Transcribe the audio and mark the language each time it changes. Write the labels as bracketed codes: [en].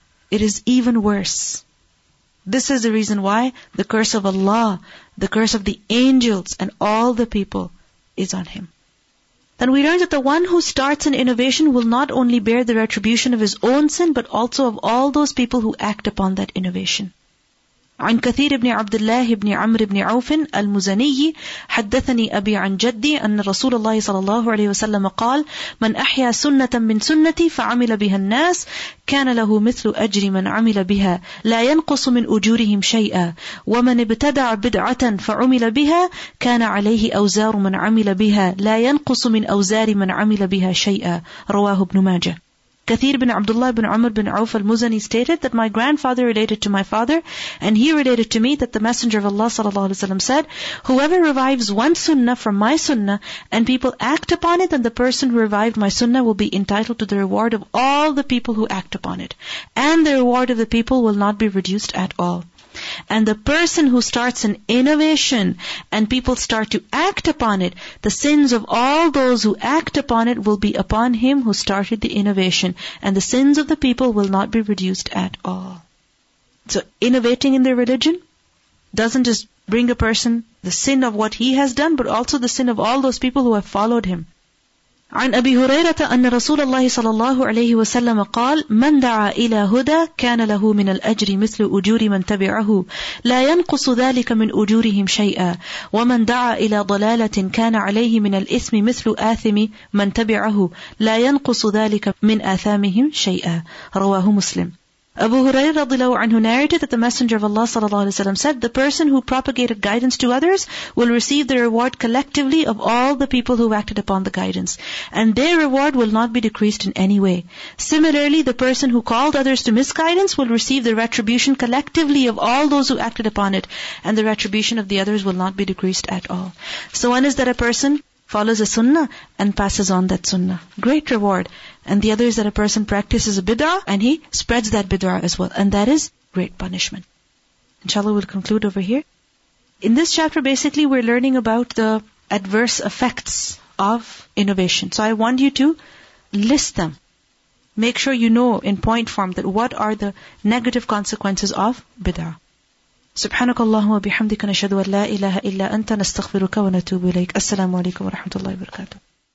[en] It is even worse. This is the reason why the curse of Allah, the curse of the angels and all the people is on him. Then we learn that the one who starts an innovation will not only bear the retribution of his own sin, but also of all those people who act upon that innovation. [ar] عن كثير بن عبد الله بن عمرو بن عوف المزني حدثني أبي عن جدي أن رسول الله صلى الله عليه وسلم قال من أحيا سنة من سنتي فعمل بها الناس كان له مثل أجر من عمل بها لا ينقص من أجورهم شيئا ومن ابتدع بدعة فعمل بها كان عليه أوزار من عمل بها لا ينقص من أوزار من عمل بها شيئا رواه ابن ماجه. [en] Kathir bin Abdullah bin Umar bin Auf al-Muzani stated that my grandfather related to my father, and he related to me that the Messenger of Allah sallallahu alaihi wasallam said, whoever revives one sunnah from my sunnah, and people act upon it, then the person who revived my sunnah will be entitled to the reward of all the people who act upon it. And the reward of the people will not be reduced at all. And the person who starts an innovation and people start to act upon it, the sins of all those who act upon it will be upon him who started the innovation, and the sins of the people will not be reduced at all. So innovating in their religion doesn't just bring a person the sin of what he has done, but also the sin of all those people who have followed him. [ar] عن أبي هريرة أن رسول الله صلى الله عليه وسلم قال من دعا إلى هدى كان له من الأجر مثل أجور من تبعه لا ينقص ذلك من أجورهم شيئا ومن دعا إلى ضلالة كان عليه من الإثم مثل آثم من تبعه لا ينقص ذلك من آثامهم شيئا رواه مسلم. [en] Abu Hurairah radhiyallahu anhu narrated that the Messenger of Allah sallallahu alaihi wasallam said, the person who propagated guidance to others will receive the reward collectively of all the people who acted upon the guidance, and their reward will not be decreased in any way. Similarly, the person who called others to misguidance will receive the retribution collectively of all those who acted upon it, and the retribution of the others will not be decreased at all. So one is that a person follows a sunnah and passes on that sunnah. Great reward. And the other is that a person practices a bid'ah and he spreads that bid'ah as well. And that is great punishment. Inshallah, we'll conclude over here. In this chapter, basically, we're learning about the adverse effects of innovation. So I want you to list them. Make sure you know in point form that what are the negative consequences of bid'ah. [ar] سبحانك اللهم وبحمدك نشهد أن لا إله إلا أنت نستغفرك ونتوب إليك السلام عليكم ورحمة الله وبركاته